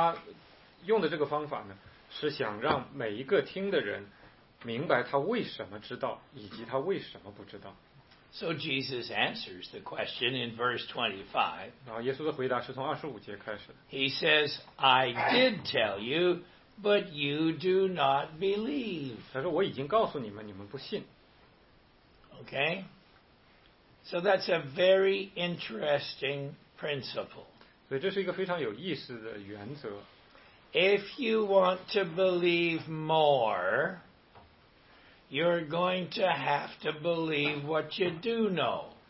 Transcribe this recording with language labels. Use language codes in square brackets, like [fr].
[zh] 所以耶稣呢用一个不同的方法，那他用的这个方法呢， 是想让每一个听的人明白他为什么知道，以及他为什么不知道。 [en] So Jesus answers the question in verse 25. [zh] 然后耶稣的回答是从25节开始的。 [en] He says, I did tell you, but you do not believe. [zh] 他说我已经告诉你们，你们不信。Okay. [en] So that's a very interesting principle. [zh] 所以这是一个非常有意思的原则。 [en] If you want to believe more, you're going to have to believe what you do know.